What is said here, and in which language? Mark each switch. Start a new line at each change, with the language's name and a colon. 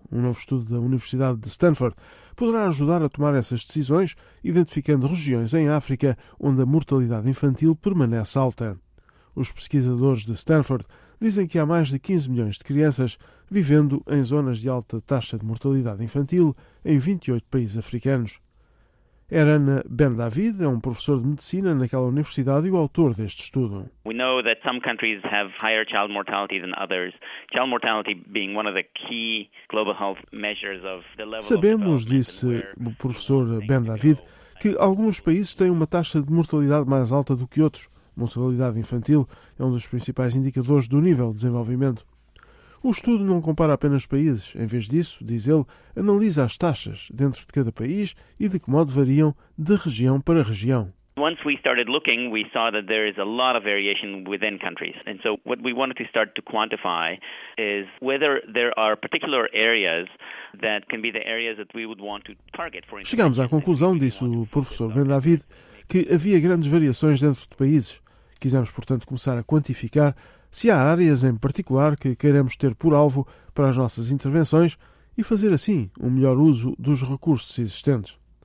Portuguese: Um novo estudo da Universidade de Stanford poderá ajudar a tomar essas decisões, identificando regiões em África onde a mortalidade infantil permanece alta. Os pesquisadores de Stanford dizem que há mais de 15 milhões de crianças vivendo em zonas de alta taxa de mortalidade infantil em 28 países africanos. Herana Ben-David é um professor de medicina naquela universidade e o autor deste estudo.
English: We know that some countries have higher child mortality than others. Child mortality being one of the key global health measures of the level.
Portuguese: Sabemos, disse o professor Ben-David, que alguns países têm uma taxa de mortalidade mais alta do que outros. Mortalidade infantil é um dos principais indicadores do nível de desenvolvimento. O estudo não compara apenas países. Em vez disso, diz ele, analisa as taxas dentro de cada país e de que modo variam de região para região.
English: Once we started looking, we saw that there is a lot of variation within countries. And so what we wanted to start to quantify is whether there are particular areas that can be the areas that we would want to target for.
Portuguese: Chegamos à conclusão, disse o professor Ben-David, que havia grandes variações dentro de países. Quisemos, portanto, começar a quantificar se há áreas em particular que queremos ter por alvo para as nossas intervenções e fazer assim um melhor uso dos recursos existentes.